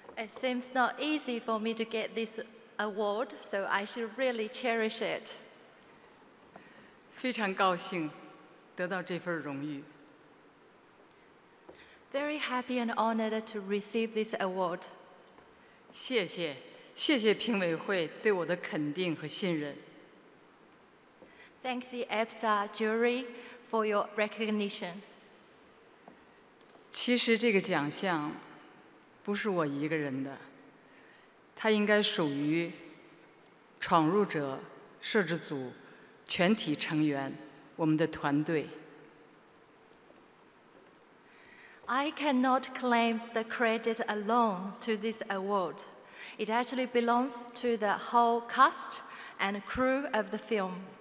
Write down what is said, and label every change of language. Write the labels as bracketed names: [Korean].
[English] seems not easy for me to get this award, so I should really cherish it. [Chinese] 非常高兴。得到这份荣誉. [English] Very happy and honored to receive this award. [Chinese] 谢谢评委会对我的肯定和信任. [English] Thank the APSA jury for your recognition. [Chinese] 其实这个奖项不是我一个人的, 它应该属于闯入者摄制组全体成员我们的团队. [English] I cannot claim the credit alone to this award. It actually belongs to the whole cast and crew of the film.